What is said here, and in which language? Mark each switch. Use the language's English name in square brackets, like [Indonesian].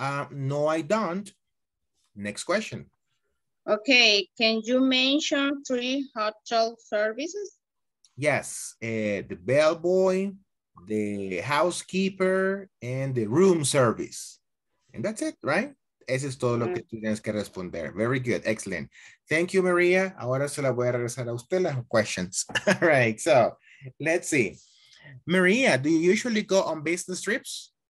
[English] No, I don't. Next question. Okay, can you mention three hotel services? Yes, the bellboy, the housekeeper, and the room service. And that's it, right? [Spanish] Eso es todo lo que tienes que responder. [English] Very good, excellent. Thank you, Maria. [Spanish] Ahora se la voy a regresar a usted las questions. [English] All right, so let's see. Maria, do you usually go on business trips?